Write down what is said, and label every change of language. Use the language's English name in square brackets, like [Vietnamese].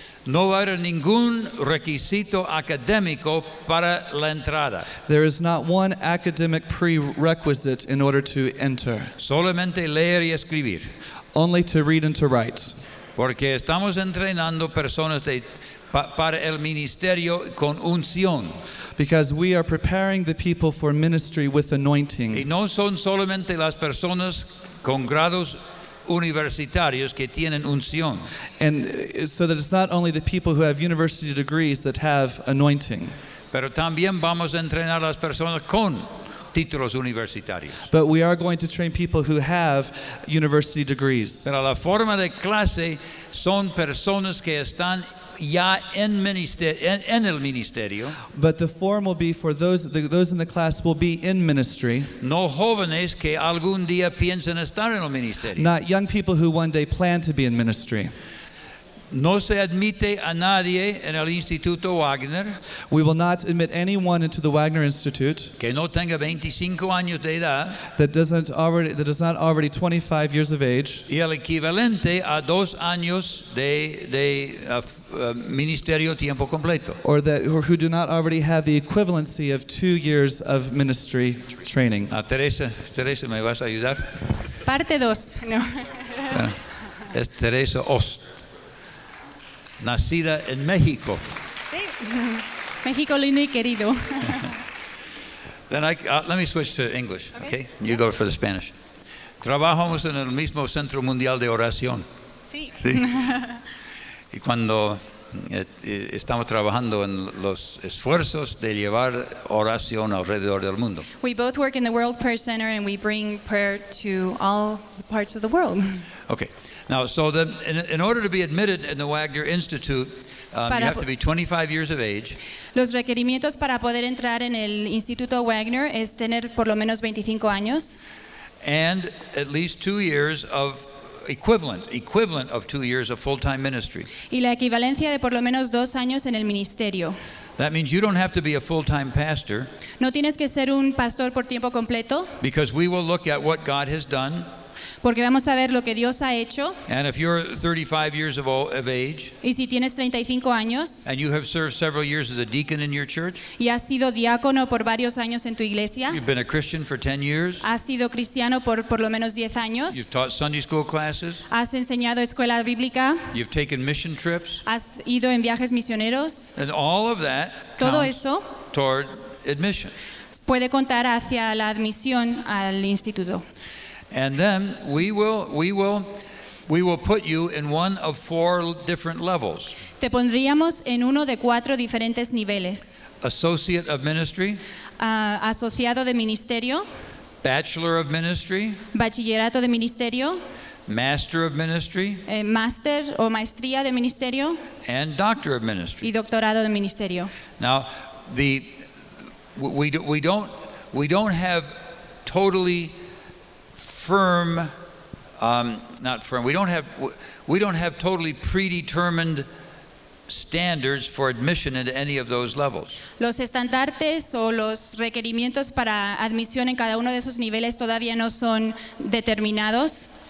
[Spanish] no va a haber ningún requisito académico para la entrada. [English] There is not one academic prerequisite in order to enter. [Spanish] Solamente leer y escribir. [English] Only to read and to write. [Spanish] Porque estamos entrenando personas para el ministerio con unción. [English] Because we are preparing the people for ministry with anointing. [Spanish] Y no son solamente las personas con grados universitarios que tienen unción. [English] And so that it's not only the people who have university degrees that have anointing. [Spanish] Pero también vamos a entrenar las personas con títulos universitarios. [English] But we are going to train people who have university degrees. [Spanish] Pero la forma de clase son personas que están ya en el ministerio. [English] But the form will be for those in the class will be in ministry. [Spanish] No jóvenes que algún día piensen estar en el ministerio. [English] Not young people who one day plan to be in ministry. [Spanish] No se admite a nadie en el Instituto Wagner. [English] We will not admit anyone into the Wagner Institute. [Spanish] Que no tenga 25 años de edad. [English] That is not already 25 years of age. [Spanish] Y el equivalente a dos años ministerio tiempo completo. [English] Or who do not already have the equivalency of 2 years of ministry training. [Spanish] A Teresa, ¿me vas a ayudar? Parte dos. No. Es Teresa Ost. Nacida en México. Sí. México lindo y querido. [English] Then let me switch to English, okay? You go for the Spanish. [Spanish] Trabajamos en el mismo Centro Mundial de Oración. Sí. Sí. Y cuando estamos trabajando en los esfuerzos de llevar oración alrededor del mundo. [English] We both work in the World Prayer Center and we bring prayer to all parts of the world. Okay. Now, so in order to be admitted in the Wagner Institute, you have to be 25 years of age. [Spanish] Los requerimientos para poder entrar en el Instituto Wagner es tener por lo menos 25 años. [English] And at least 2 years of equivalent of 2 years of full-time ministry. [Spanish] Y la equivalencia de por lo menos dos años en el ministerio. [English] That means you don't have to be a full-time pastor. [Spanish] No tienes que ser un pastor por tiempo completo. [English] Because we will look at what God has done. [Spanish] Porque vamos a ver lo que Dios ha hecho. [English] And if you're 35 years of age, [Spanish] y si tienes 35 años, [English] and you have served several years as a deacon in your church, [Spanish] y has sido diácono por varios años en tu iglesia, [English] you've been a Christian for 10 years, [Spanish] has sido cristiano por lo menos 10 años, [English] you've taught Sunday school classes, [Spanish] has enseñado escuela bíblica, [English] you've taken mission trips, [Spanish] has ido en viajes misioneros, [English] and all of that [Spanish] todo [English] counts [Spanish] eso [English] toward admission. [Spanish] Puede contar hacia la admisión al instituto. [English] And then we will put you in one of four different levels. [Spanish] Te pondríamos en uno de cuatro diferentes niveles. [English] Associate of ministry. [Spanish] Asociado de ministerio. [English] Bachelor of ministry. [Spanish] Bachillerato de ministerio. [English] Master of ministry. [Spanish] Master o maestría de ministerio. [English] And doctor of ministry. [Spanish] Y doctorado de ministerio. [English] Now we don't have totally firm, not firm. We don't have totally predetermined standards for admission into any of those levels. [Spanish] Los estandartes o los requerimientos para admisión en cada uno de esos niveles todavía no son determinados.